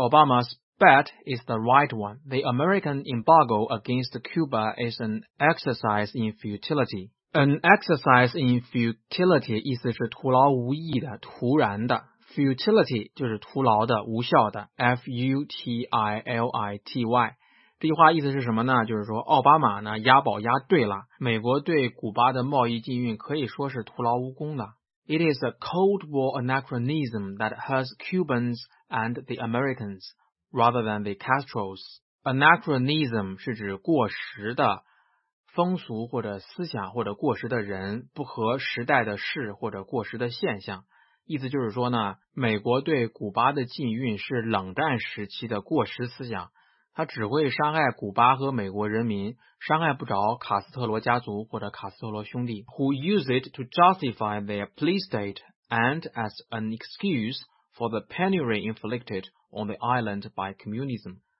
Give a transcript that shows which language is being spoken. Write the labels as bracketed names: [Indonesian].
[English] Obama's bet is the right one， the American embargo against Cuba is an exercise in futilityan exercise in futility， [Chinese] 意思是徒劳无益的，徒然的。 futility 就是徒劳的，无效的， F-U-T-I-L-I-T-Y。这句话意思是什么呢？就是说奥巴马呢押宝押对了，美国对古巴的贸易禁运可以说是徒劳无功的。 [English] It is a Cold War anachronism that hurts Cubans and the Americans rather than the Castros。 [Chinese] Anachronism 是指过时的风俗或者思想或者过时的人，不合时代的事或者过时的现象。意思就是说呢，美国对古巴的禁运是冷战时期的过时思想，它只会伤害古巴和美国人民，伤害不着卡斯特罗家族或者卡斯特罗兄弟。 [English] Who use it to justify their police state and as an excuse for the penury inflicted on the island by communism。